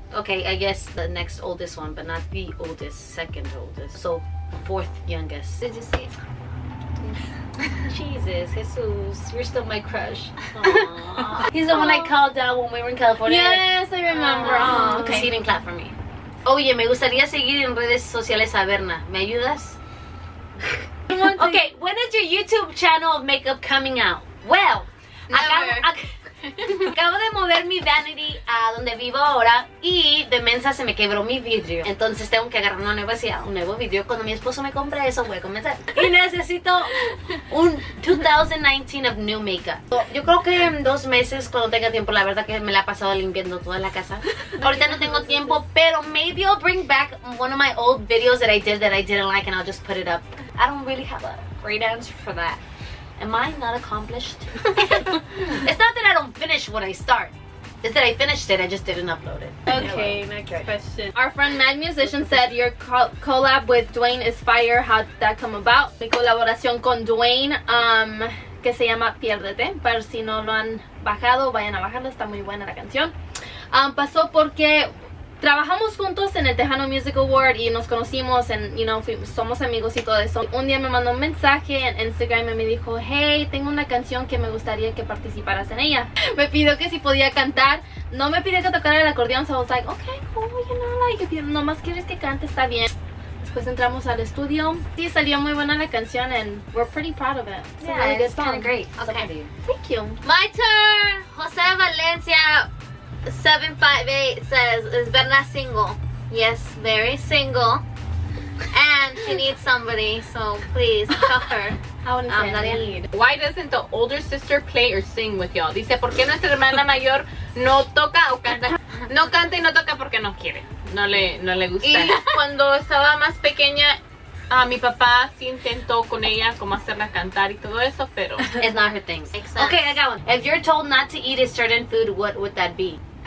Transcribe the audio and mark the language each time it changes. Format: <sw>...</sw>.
<en>I guess the next oldest one, but not the oldest, second oldest. So fourth youngest. Did you see? Jesus, Jesus, you're still my crush. Aww. He's the one I called out when we were in California. Yes, I remember. Because he didn't clap for me.</en> <es>Oye, me gustaría seguir en redes sociales a Berna. ¿Me ayudas?</es> <en>Okay, when is your YouTube channel of makeup coming out?</en> <es>Well, acabo de mover mi vanity a donde vivo ahora y de mensa se me quebró mi vidrio. Entonces tengo que agarrar un nuevo vidrio. Cuando mi esposo me compre eso, voy a comenzar. Y necesito un 2019</es> <en>of new makeup.</en> <es>Yo creo que en 2 meses, cuando tenga tiempo, la verdad que me la he pasado limpiando toda la casa. Ahorita no tengo tiempo, pero</es> <en>maybe I'll bring back one of my old videos that I didn't like and I'll just put it up. I don't really have a great answer for that. Am I not accomplished? It's not that I don't finish what I start. It's that I finished it, I just didn't upload it. Okay, next question. Our friend Mad Musician said your collab with Dwayne is fire. How did that come about?</en> <es>Mi colaboración con Dwayne, que se llama Piérdete. Pero si no lo han bajado, vayan a bajarlo. Está muy buena la canción. Pasó porque trabajamos juntos en el Tejano Music Award y nos conocimos, somos amigos y todo eso. Un día me mandó un mensaje en Instagram y me dijo, hey, tengo una canción que me gustaría que participaras en ella. Me pidió que si podía cantar. No me pidió que tocara el acordeón,</es> <en>so I was like, okay, cool, you know, like, if you</en> <es>nomás quieres que cante, está bien. Después entramos al estudio. Sí, salió muy buena la canción</es> <en>and we're pretty proud of it. It's yeah, really good song. It's kind of great. Okay. Thank you. My turn! Jose Valencia 758 says, is Berna single? Yes, very single. And she needs somebody, so please help her. Why doesn't the older sister play or sing with y'all?</en> <es>Dice, ¿por qué nuestra hermana mayor no toca o canta? No canta y no toca porque no quiere. No le gusta. Y cuando estaba más pequeña, mi papá sí intentó con ella como hacerla cantar y todo eso, pero...</es> <en>It's not her thing. Okay, I got one. If you're told not to eat a certain food, what would that be?</en>